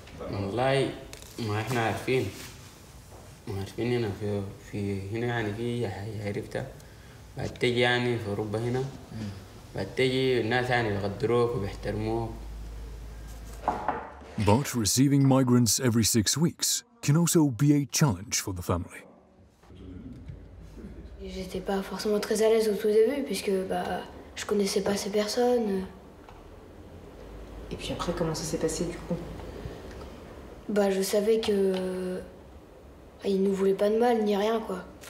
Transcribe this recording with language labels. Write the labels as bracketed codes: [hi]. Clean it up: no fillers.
[ar] والله ما احنا عارفين ما عارفين هنا في هنا يعني في عرفتها بعد تجي يعني في أوروبا هنا بعد تجي الناس يعني يقدروك وبيحترموك [en] But receiving migrants every 6 weeks can also be a challenge for the family. [fr] J'étais pas forcément très à l'aise au tout début puisque je connaissais pas ces personnes. Et puis après comment ça s'est passé du coup? Je savais que ils nous voulaient pas de mal ni rien quoi.